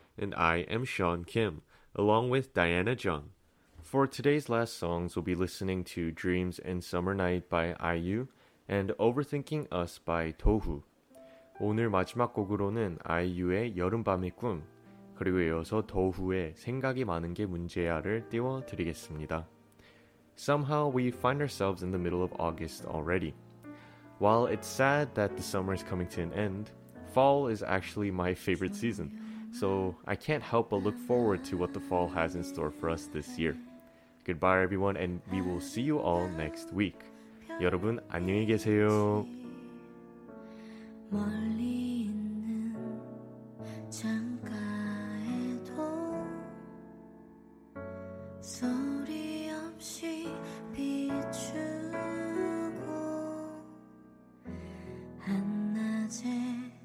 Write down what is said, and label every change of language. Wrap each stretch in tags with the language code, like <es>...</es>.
<en>And I am Sean Kim, along with Diana Jung. For today's last songs, we'll be listening to Dreams and Summer Night by IU and Overthinking Us by Dohu.</en> <ko>오늘 마지막 곡으로는 IU의 여름밤의 꿈, 그리고 이어서 Dohu의 생각이 많은 게 문제야를 띄워드리겠습니다.</ko> <en>Somehow we find ourselves in the middle of August already. While it's sad that the summer is coming to an end, fall is actually my favorite season, so I can't help but look forward to what the fall has in store for us this year. Goodbye, everyone, and we will see you all next week.</en> <ko>여러분, 안녕히 계세요. 멀리 있는 창가에도 소리 없이 비추고 한낮에</ko>